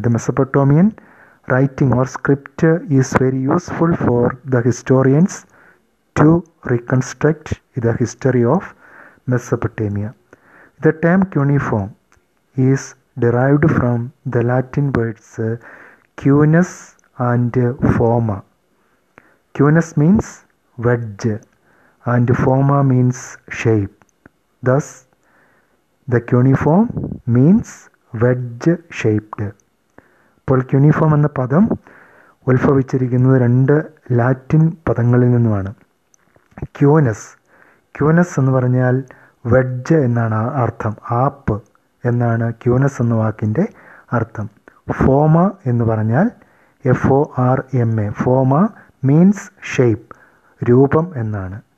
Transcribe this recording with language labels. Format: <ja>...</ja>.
<en>The Mesopotamian writing or script is very useful for the historians to reconstruct the history of Mesopotamia. The term cuneiform is derived from the Latin words cuneus and forma. Cuneus means wedge and forma means shape. Thus, the cuneiform means wedge-shaped.</en> <ml>ഇപ്പോൾ cuneiform എന്ന പദം ഉത്ഭവിച്ചിരിക്കുന്നത് രണ്ട് Latin പദങ്ങളിൽ നിന്നുമാണ്. ക്യൂനസ്, ക്യൂനസ് എന്ന് പറഞ്ഞാൽ wedge എന്നാണ് അർത്ഥം, ആപ്പ് എന്നാണ് ക്യൂനസ് എന്ന വാക്കിൻ്റെ അർത്ഥം. ഫോമ എന്ന് പറഞ്ഞാൽ FORMA,</ml> <en>forma means shape,</en> <ml>രൂപം എന്നാണ്.</ml>